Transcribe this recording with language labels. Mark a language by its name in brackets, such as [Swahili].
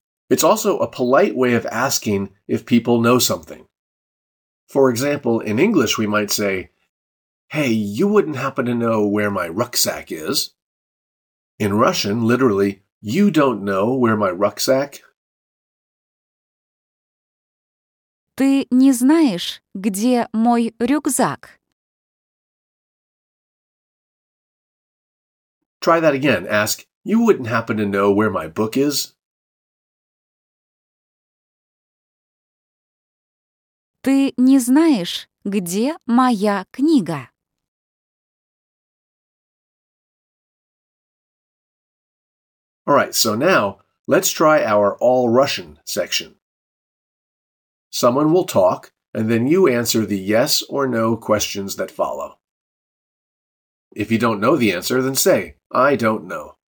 [English] It's also a polite way of asking if people know something. For example, in English, we might say, Hey, you wouldn't happen to know where my rucksack is. In Russian, literally, you don't know where my rucksack. [Russian] Ты не знаешь, где мой рюкзак? [English] Try that again. Ask, you wouldn't happen to know where my book is. [Russian] Ты не знаешь, где моя книга? [English] All right, so now let's try our all Russian section. Someone will talk, and then you answer the yes or no questions that follow. If you don't know the answer, then say, I don't know.